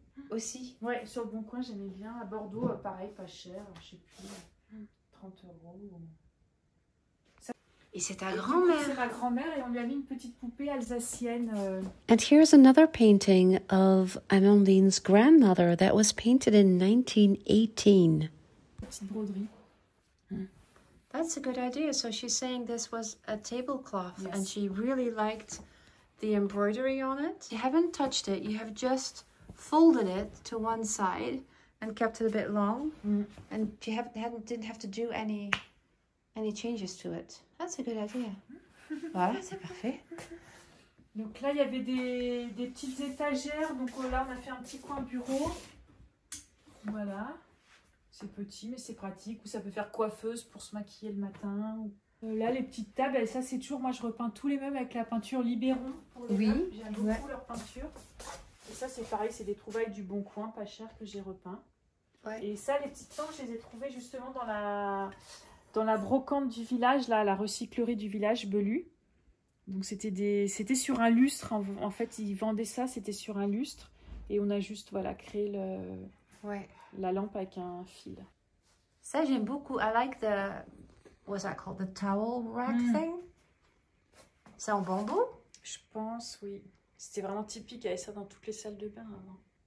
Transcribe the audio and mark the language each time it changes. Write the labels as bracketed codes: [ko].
[fr] Aussi. Ouais, sur le bon coin, j'aimais bien. À Bordeaux, pareil, pas cher. Je sais plus. 30 euros. Et c'est ta grand-mère. C'est ma grand-mère et on lui a mis une petite poupée alsacienne. [en] And here's another painting of Amandine's grandmother that was painted in 1918. [fr] Petite broderie. [en] That's a good idea. So she's saying this was a tablecloth and she really liked the embroidery on it. You haven't touched it. You have just folded it to one side and kept it a bit long. Mm. And you didn't have to do any changes to it. That's a good idea. [fr] Voilà, c'est parfait. Donc là, il y avait des petites étagères. Donc là, on a fait un petit coin bureau. Voilà. C'est petit, mais c'est pratique. Ou ça peut faire coiffeuse pour se maquiller le matin. Là, les petites tables, ça, c'est toujours... Moi, je repeins tous les meubles avec la peinture Libéron. Oui. J'aime beaucoup leur peinture. Et ça, c'est pareil, c'est des trouvailles du Bon Coin, pas cher, que j'ai repeint. Ouais. Et ça, les petites planches, je les ai trouvées justement dans la... Dans la brocante du village, là, la recyclerie du village Belu. Donc c'était sur un lustre. En fait, ils vendaient ça. C'était sur un lustre et on a juste créé la lampe avec un fil. Ça j'aime beaucoup. [en] I like the what's that called, the towel rack thing. [fr] C'est en bambou? Je pense oui. C'était vraiment typique. Il y avait ça dans toutes les salles de bain avant.